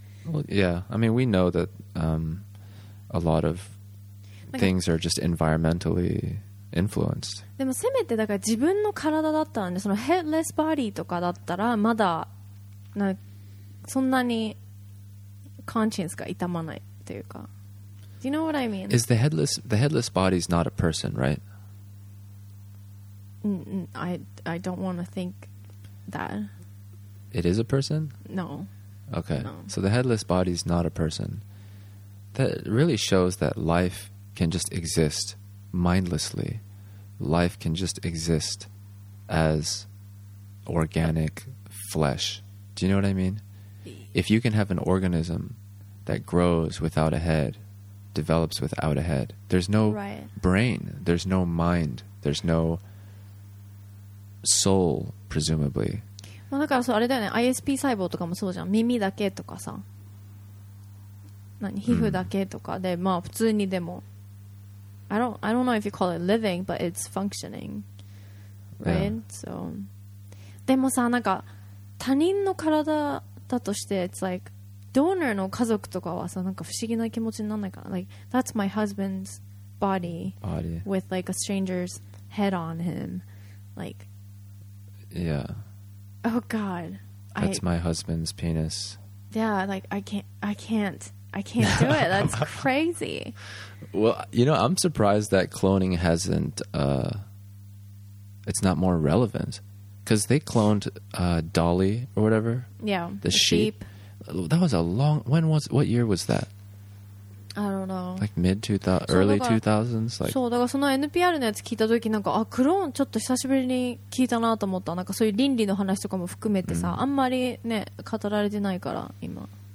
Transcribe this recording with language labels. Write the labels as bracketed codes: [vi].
[en] Well, yeah, I mean, we know that a lot of things are just environmentally influenced. [ja] でもせめてだから自分の体だったらね、そのヘッドレスボディとかだったらまだなんかそんなにコンシェンスが痛まないというか。 [en] Do you know what I mean? Is the headless body is not a person, right? I don't want to think that. It is a person? No. Okay. No. So the headless body is not a person. That really shows that life can just exist mindlessly. Life can just exist as organic flesh. Do you know what I mean? If you can have an organism that grows without a head, develops without a head, there's no brain, there's no mind, there's no soul, presumably. [ja] まあだからそうあれだよね。ISP 細胞とかもそうじゃん。耳だけとかさ。何？皮膚だけとかで、まあ普通にでも。 [en] I don't know if you call it living, but it's functioning, right? Yeah. So, [ja] でもさなんか他人の体だとして [en] it's like donor [ja] の家族とかはさなんか不思議な気持ちにならないかな [en] like that's my husband's body with like a stranger's head on him, like yeah. Oh God, that's my husband's penis. Yeah, like I can't do it. That's crazy. Well, you know, I'm surprised that cloning hasn't, it's not more relevant. Because they cloned Dolly or whatever. Yeah. The sheep. That was a long, when was, what year was that? I don't know. Like mid-2000s, early 2000s? [ja] そう、だからその NPR のやつ聞いたとき、なんか、あ、クローンちょっと久しぶりに聞いたなと思った。なんかそういう倫理の話とかも含めてさ、あんまりね、語られてないから、今。